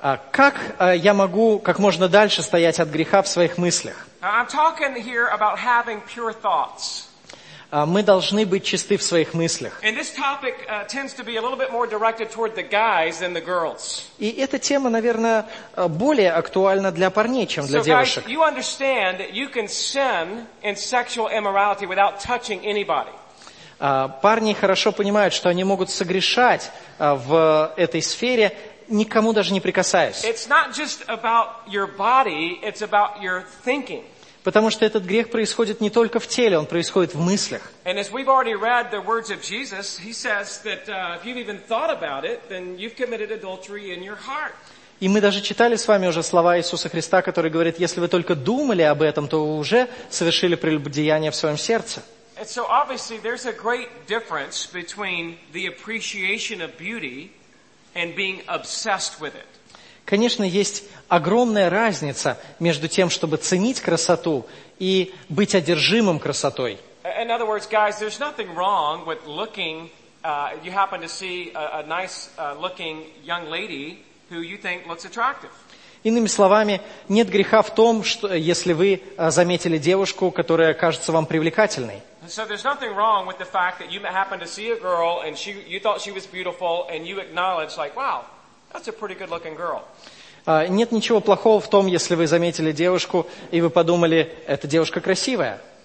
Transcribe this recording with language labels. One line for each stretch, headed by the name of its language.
Russian: Как я могу как можно дальше стоять от греха в своих мыслях?
English: I'm talking here about having pure thoughts.
Russian: Мы должны быть чисты в своих мыслях.
English: And this topic tends to be a little bit more directed toward the guys than the girls.
Russian: И эта тема, наверное, более актуальна для парней, чем для девушек.
English: So guys, you understand that you can sin in sexual immorality without touching anybody.
Russian: Парни хорошо понимают, что они могут согрешать в этой сфере, никому даже не прикасаясь.
English: It's not just about your body, it's about your thinking.
Russian: Потому что этот грех происходит не только в теле, он происходит в мыслях.
English: And as we've already read the words of Jesus, he says that if you've even thought about it, then you've committed adultery in your heart.
Russian: И мы даже читали с вами уже слова Иисуса Христа, который говорит: если вы только думали об этом, то вы уже совершили прелюбодеяние в своем сердце.
English: And so obviously there's a great difference between the appreciation of beauty and being obsessed with it.
Russian: Конечно, есть огромная разница между тем, чтобы ценить красоту, и быть одержимым красотой.
English: In other words, guys, there's nothing wrong with looking, you happen to see a nice looking young lady who you think looks attractive.
Russian: Иными словами, нет греха в том, что если вы заметили девушку, которая кажется вам привлекательной.
English: So there's nothing wrong with the fact that you happen to see a girl and she, you thought she was beautiful and you acknowledge like, wow, that's a pretty good looking girl.
Russian: Нет ничего плохого в том, если вы заметили девушку и вы подумали, эта девушка красивая.